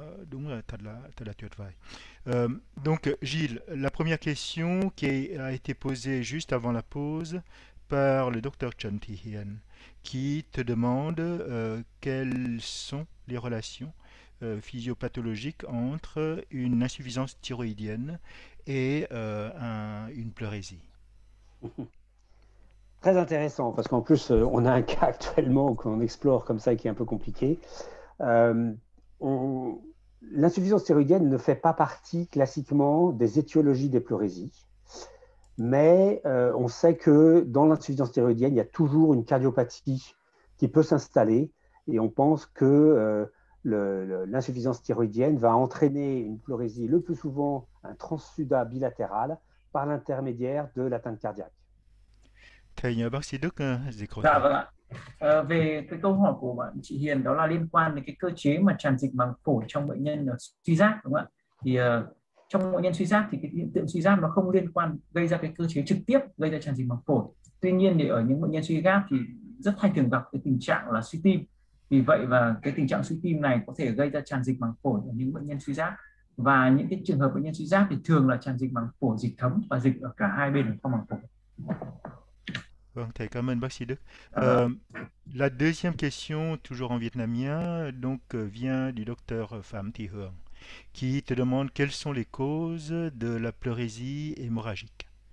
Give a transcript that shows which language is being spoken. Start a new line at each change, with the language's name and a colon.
Vietnamese: Đúng là thật là tuyệt vời.
French: Donc Gilles, la première question qui a été posée juste avant la pause par le docteur Chen Tihian, qui te demande quelles sont les relations physiopathologiques entre une insuffisance thyroïdienne et une pleurésie. Très intéressant parce qu'en plus on a un cas actuellement qu'on explore comme ça qui est un peu compliqué. L'insuffisance thyroïdienne ne fait pas partie classiquement des étiologies des pleurésies, mais on sait que dans l'insuffisance thyroïdienne, il y a toujours une cardiopathie qui peut s'installer et on pense que l'insuffisance thyroïdienne va entraîner une pleurésie le plus souvent un transsudat bilatéral par l'intermédiaire de l'atteinte cardiaque.
Vietnamese: Thầy nhờ bác sĩ Đức dịch Dạ vâng ạ. Về cái câu hỏi của bạn chị Hiền đó là liên quan đến cái cơ chế mà tràn dịch màng phổi trong bệnh nhân suy giáp đúng không ạ? Thì trong bệnh nhân suy giáp thì cái hiện tượng suy giáp nó không liên quan gây ra cái cơ chế trực tiếp gây ra tràn dịch màng phổi. Tuy nhiên thì ở những bệnh nhân suy giáp thì rất hay thường gặp cái tình trạng là suy tim. Vì vậy và cái tình trạng suy tim này có thể gây ra tràn dịch màng phổi ở những bệnh nhân suy giáp. Và những cái trường hợp bệnh nhân suy giáp thì thường là tràn dịch màng phổi, dịch thấm và dịch ở cả hai bên trong màng phổi. Vâng, thầy, cảm ơn bác sĩ Đức. Dạ
French: La deuxième question, toujours en vietnamien, donc vient du docteur Pham Thị Hường, qui te demande quelles sont les causes de la pleurésie hémorragique.